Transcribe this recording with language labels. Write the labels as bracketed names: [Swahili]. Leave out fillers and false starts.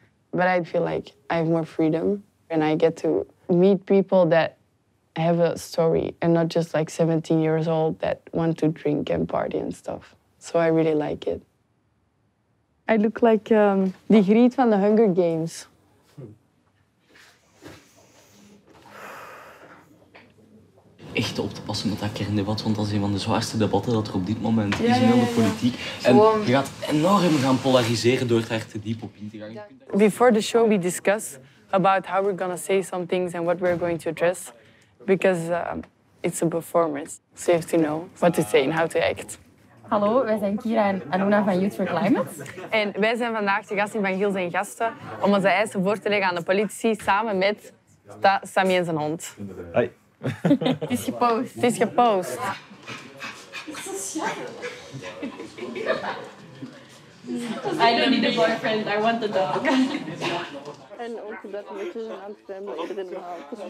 [English] But I feel like I have more freedom and I get to meet people that have a story and not just like 17 years old that want to drink and party and stuff. So I really like it. I look like the Greet van the Hunger Games. [Dutch] Echt op te passen met dat kerndebat, want dat is een van de zwaarste debatten dat er op dit moment is in de politiek. En je gaat enorm gaan polariseren door daar te diep op in te gaan. [English] Before the show we discuss about how we're gonna say some things and what we're going to address, because it's a performance. So you have to know what to say and how to act. [Dutch] Hallo, wij zijn Kira en Anuna van Youth for Climate. En wij zijn vandaag de gast in Van Giel zijn gasten om onze eisen voor te leggen aan de politici samen met Sammy en zijn hond. [English] Hi. [Dutch] Het is gepost. Het is gepost. Ja. [English] I don't need a boyfriend, I want a dog. [Dutch] En ook dat we een beetje aan het zwemmen in de naam.